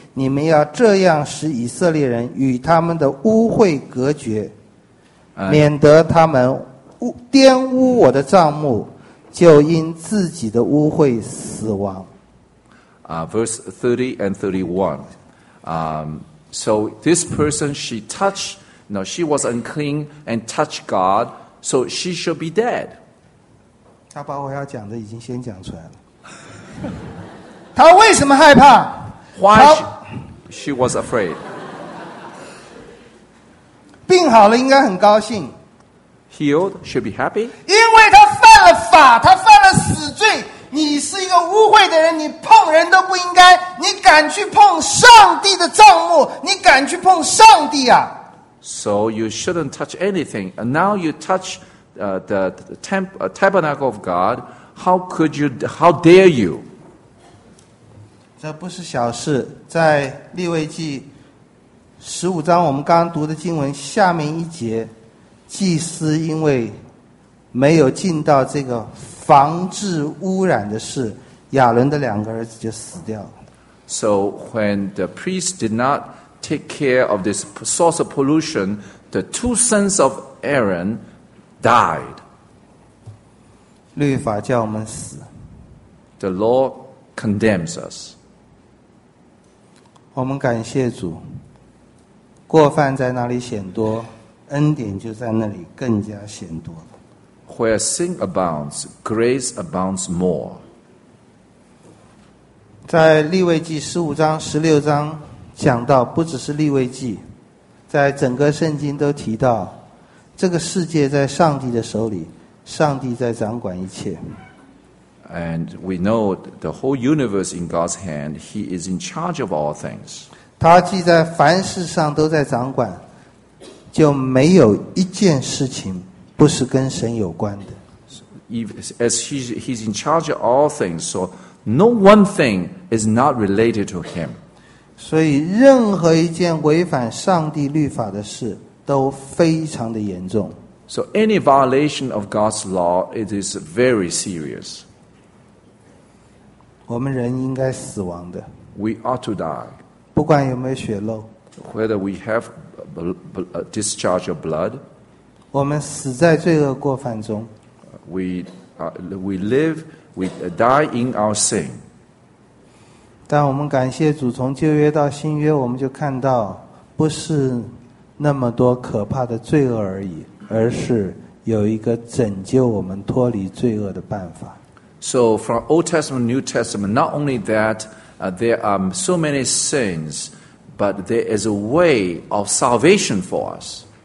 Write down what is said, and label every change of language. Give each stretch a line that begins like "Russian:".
Chinese: 你们要这样使以色列人与他们的污秽隔绝，免得他们玷污我的帐幕，就因自己的污秽死亡。
English: Verse 30 and 31. So this person, she touched, no, she was unclean and touched God, so she should be dead.
Chinese: 他把我要讲的已经先讲出来了。他为什么害怕？
English: Why? She was afraid.
Chinese: 病好了应该很高兴。
English: Healed should be happy.
Chinese: 因为他犯了法，他犯了死罪。你是一个污秽的人，你碰人都不应该。你敢去碰上帝的帐幕？你敢去碰上帝啊？
English: So you shouldn't touch anything. And now you touch tabernacle of God. How could you? How dare you?
Chinese: 这不是小事。在利未记十五章我们刚刚读的经文下面一节，祭司因为没有尽到这个防治污染的事，亚伦的两个儿子就死掉了。
English: So when the priest did not take care of this source of pollution, the two sons of Aaron died.
Chinese: 律法叫我们死。
English: The law condemns us.
Chinese: 我们感谢主，过犯在那里显多，恩典就在那里更加显多。
English: Where sin abounds, grace abounds more.
Chinese: 在利未记十五章、十六章讲到，不只是利未记，在整个圣经都提到，这个世界在上帝的手里，上帝在掌管一切。
English: And we know the whole universe in God's hand, He is in charge of all things.
Chinese: 他既在凡事上都在掌管，就没有一件事情不是跟神有关的。
English: As he's in charge of all things, so no one thing is not related to him.
Chinese: 所以任何一件违反上帝律法的事都非常的严重。
English: So any violation of God's law, it is very serious.
Chinese: 我们人应该死亡的。
English: We ought to die.
Chinese: 不管有没有血漏。
English: Whether we have a discharge of blood.
Chinese: 我们死在罪恶过犯中。
English: We die in our sin.
Chinese: 但我们感谢主，从旧约到新约，我们就看到不是那么多可怕的罪恶而已，而是有一个拯救我们脱离罪恶的办法。
English: So from Old Testament, New Testament, not only that, there are so many sins, but there is a way of salvation for us.